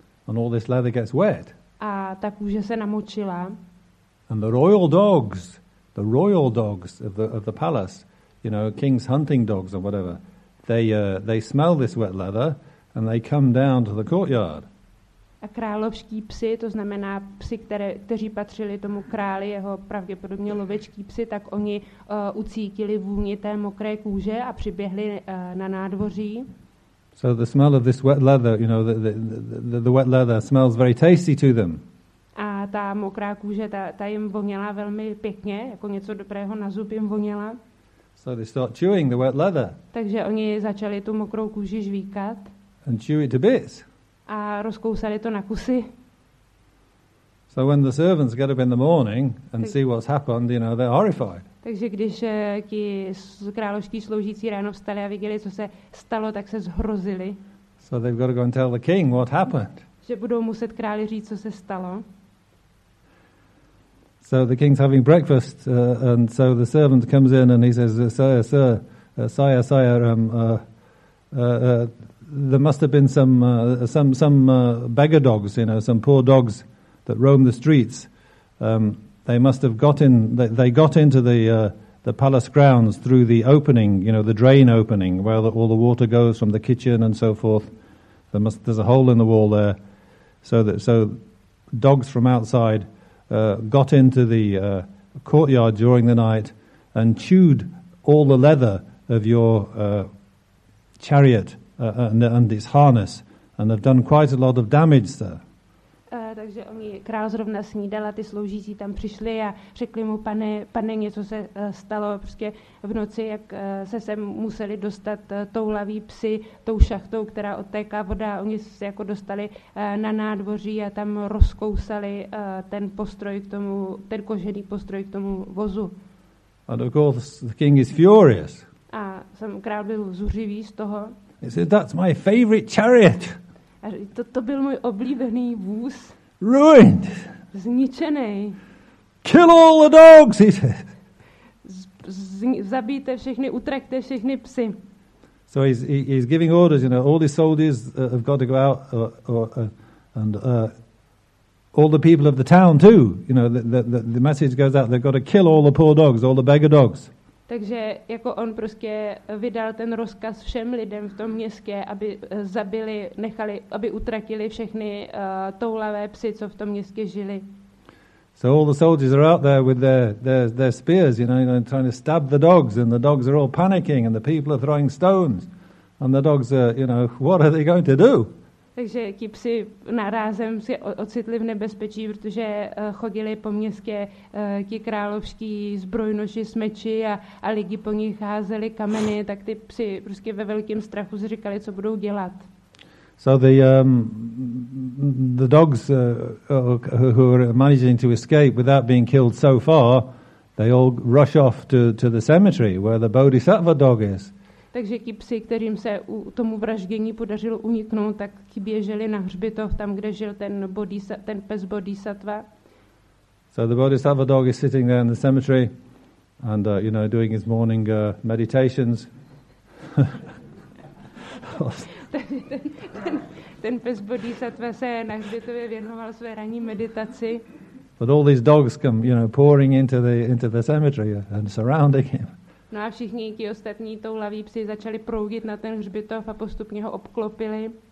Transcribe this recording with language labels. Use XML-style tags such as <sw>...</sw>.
<en>And all this leather gets wet.</en> <cs>A ta kůže se namočila.</cs> <en>And the royal dogs of the palace, you know, king's hunting dogs or whatever, they smell this wet leather and they come down to the courtyard.</en> <cs>A královští psi, to znamená psi, kteří patřili tomu králi, jeho pravděpodobně lovečký psi, tak oni ucítili vůni té mokré kůže a přiběhli na nádvoří.</cs> <en>So the smell of this wet leather, you know, the wet leather smells very tasty to them.</en> <cs>A ta mokrá kůže, ta jim voněla velmi pěkně, jako něco dobrého na zub jim voněla.</cs> <en>So they start chewing the wet leather.</en> <cs>Takže oni začali tu mokrou kůži žvíkat.</cs> <en>And chew it to bits.</en> <cs>A rozkousali to na kusy.</cs> <en>So when the servants get up in the morning and see what's happened, you know, they're horrified.</en> <cs>Takže když ti královští sloužící ráno vstali a viděli, co se stalo, tak se zhrozili.</cs> <en>So they've got to go and tell the king what happened.</en> <cs>Že budou muset králi říct, co se stalo.</cs> <en>So the king's having breakfast, and so the servant comes in and he says, sire, there must have been some beggar dogs, you know, some poor dogs that roam the streets. They must have got into the palace grounds through the opening, you know, the drain opening, where all the water goes from the kitchen and so forth. There's a hole in the wall there. So dogs from outside got into the courtyard during the night and chewed all the leather of your chariot and its harness and have done quite a lot of damage there.</en> <cs>Takže oni král zrovna snídal a ty sloužící tam přišli a řekli mu, pane, něco se stalo prostě v noci, jak se sem museli dostat toulaví psi tou šachtou, která odtéká voda. Oni se jako dostali na nádvoří a tam rozkousali ten kožený postroj k tomu vozu.</cs> <en>And of course the king is furious.</en> <cs>A sam král byl zuřivý z toho.</cs> <en>He said, that's my favorite chariot.</en> <cs>A to byl můj oblíbený vůz.</cs> <en>Ruined.</en> <cs>Zničený.</cs> <en>Kill all the dogs, he said.</en> <cs>Zabijte všechny, utrakte všechny psy.</cs> <en>So he's giving orders, you know, all the soldiers have got to go out and all the people of the town too. You know, the message goes out, they've got to kill all the poor dogs, all the beggar dogs.</en> <cs>Takže jako on prostě vydal ten rozkaz všem lidem v tom městě, aby zabili, nechali, aby utratili všechny toulavé psy, co v tom městě žili.</cs> <en>So all the soldiers are out there with their spears, you know, trying to stab the dogs, and the dogs are all panicking, and the people are throwing stones, and the dogs are, you know, what are they going to do?</en> <cs>Takže ti psi narázem se ocitli v nebezpečí, protože chodili po městě ti královští zbrojnoši s meči a lidi po nich házeli kameny, tak ty psi prostě ve velkém strachu si říkali, co budou dělat.</cs> <en>So the dogs who are managing to escape without being killed so far, they all rush off to the cemetery where the Bodhisattva dog is.</en> <cs>Takže ti psi, kterým se u tomu vraždění podařilo uniknout, tak ti běželi na hřbitov, tam, kde žil ten pes Bodhisattva.</cs> <en>So the Bodhisattva dog is sitting there in the cemetery and, you know, doing his morning meditations.</en> <cs>ten pes Bodhisattva se na hřbitově věnoval své ranní meditaci.</cs> <en>But all these dogs come, you know, pouring into the cemetery and surrounding him.</en> <cs>No a všichni ti ostatní tou laví psi začali proudit na ten hřbitov a postupně ho obklopili.</cs>